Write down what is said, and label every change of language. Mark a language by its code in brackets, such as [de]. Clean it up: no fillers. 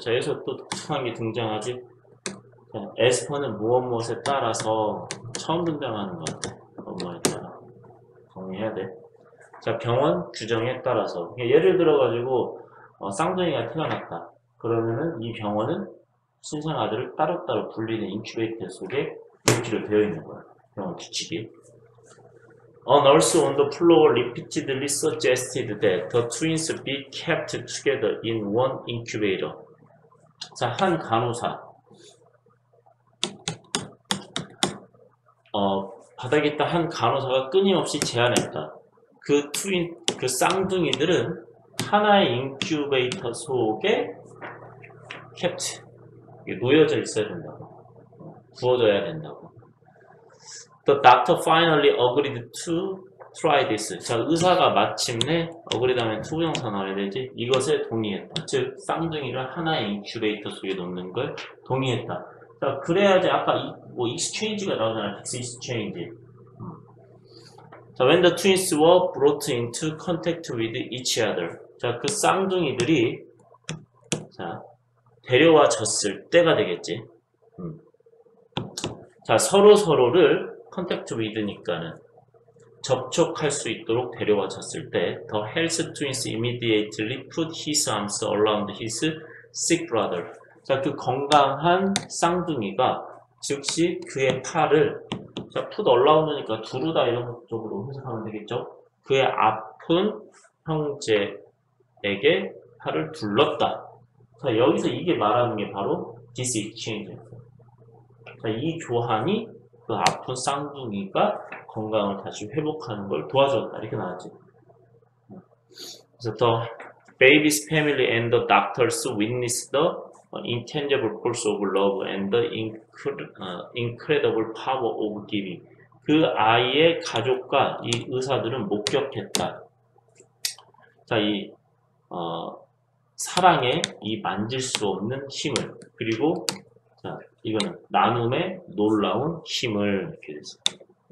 [ko] 자, 여기서 또 독특한 게 등장하지. As per는 무엇 무엇에 따라서 처음 등장하는 것 같아. 뭐에 따라 정리해야 돼. 자, 병원 규정에 따라서. 예를 들어가지고 쌍둥이가 태어났다. 그러면은 이 병원은 신생 아들을 따로따로 분리된 인큐베이터 속에 유지로 되어 있는 거야. 병원 규칙이. [en] A nurse on the floor repeatedly suggested that the twins be kept together in one incubator. [ko] 자, 한 간호사. 바닥에 있던 한 간호사가 끊임없이 제안했다. 그 쌍둥이들은 하나의 인큐베이터 속에 캡트, 놓여져 있어야 된다고. 구워져야 된다고. [en] The doctor finally agreed to try this. [ko] 자, 의사가 마침내, agreed 하면 to 부정사 나와야 되지. 이것에 동의했다. 즉, 쌍둥이를 하나의 인큐베이터 속에 놓는 걸 동의했다. 자, 그래야지 아까 뭐 exchange가 나오잖아. exchange. [en] 자, when the twins were brought into contact with each other. [ko] 자, 그 쌍둥이들이, 자, 데려와졌을 때가 되겠지. 자, 서로서로를 contact with니까는 접촉할 수 있도록 데려와졌을 때, [en] the health twins immediately put his arms around his sick brother. [ko] 자, 그 건강한 쌍둥이가 즉시 그의 팔을, 자, put around니까 두르다 이런 쪽으로 해석하면 되겠죠? 그의 아픈 형제에게 팔을 둘렀다. 자, 여기서 이게 말하는 게 바로 [en] this exchange. [ko] 자, 이 교환이 그 아픈 쌍둥이가 건강을 다시 회복하는 걸 도와줬다. 이렇게 나왔지. 그래서 [en] the baby's family and the doctors witnessed the intangible force of love and the incredible power of giving. [ko] 그 아이의 가족과 이 의사들은 목격했다. 자, 이 사랑의 이 만질 수 없는 힘을, 그리고 자, 이거는 나눔의 놀라운 힘을 이렇게 됐어.